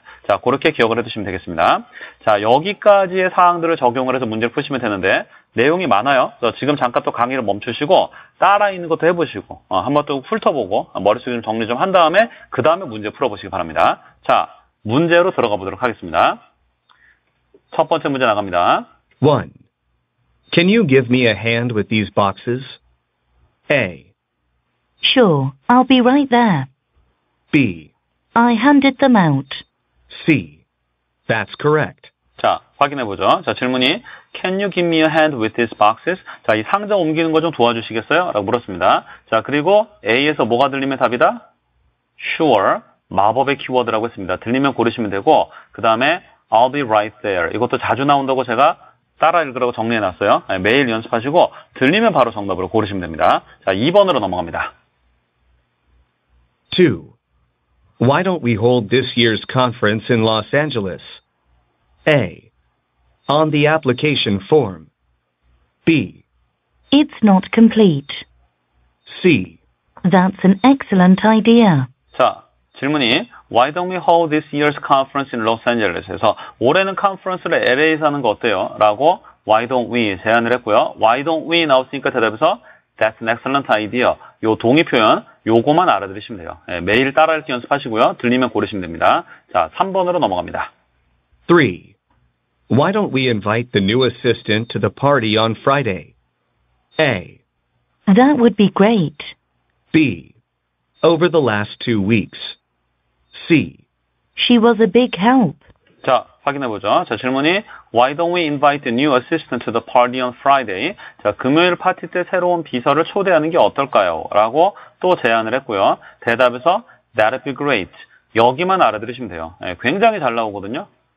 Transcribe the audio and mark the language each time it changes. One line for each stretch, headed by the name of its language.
Korean: 자, 그렇게 기억을 해두시면 되겠습니다. 자, 여기까지의 사항들을 적용을 해서 문제를 푸시면 되는데 내용이 많아요. 그래서 지금 잠깐 또 강의를 멈추시고 따라 있는 것도 해보시고 한번 또 훑어보고 머릿속에 좀 정리 좀 한 다음에 그 다음에 문제 풀어보시기 바랍니다. 자, 문제로 들어가 보도록 하겠습니다. 첫 번째 문제 나갑니다.
English: 1. Can you give me a hand with these boxes? A. Sure, I'll be right there. B. I handed them out. C. That's correct.
Korean: 자, 확인해 보죠. 자, 질문이
English: Can you give me a hand with these boxes?
Korean: 자, 이 상자 옮기는 거 좀 도와주시겠어요? 라고 물었습니다. 자, 그리고 A에서 뭐가 들리면 답이다?
English: Sure.
Korean: 마법의 키워드라고 했습니다. 들리면 고르시면 되고 그 다음에
English: I'll be right there.
Korean: 이것도 자주 나온다고 제가 따라 읽으라고 정리해 놨어요. 매일 연습하시고 들리면 바로 정답으로 고르시면 됩니다. 자, 2번으로 넘어갑니다.
English: 2. Why don't we hold this year's conference in Los Angeles? A. On the application form. B. It's not complete. C. That's an excellent idea.
Korean: 자, 질문이
English: Why don't we hold this year's conference in Los Angeles?
Korean: 해서 올해는 컨퍼런스를 LA에서 하는 거 어때요?
English: 라고 Why don't we
Korean: 제안을 했고요.
English: Why don't we
Korean: 나왔으니까 대답해서
English: That's an excellent idea.
Korean: 요 동의 표현 요거만 알아들으시면 돼요. 예, 매일 따라 읽기 연습하시고요. 들리면 고르시면 됩니다. 자, 3번으로 넘어갑니다.
English: 3. Why don't we invite the new assistant to the party on Friday? A. That would be great. B. Over the last 2 weeks. C. She was a big help.
Korean: 자, 확인해보죠. 자, 질문이
English: Why don't we invite the new assistant to the party on Friday?
Korean: 자, 금요일 파티 때 새로운 비서를 초대하는 게 어떨까요? 라고 또 제안을 했고요. 대답에서
English: That'd be great.
Korean: 여기만 알아들으시면 돼요. 네, 굉장히 잘 나오거든요.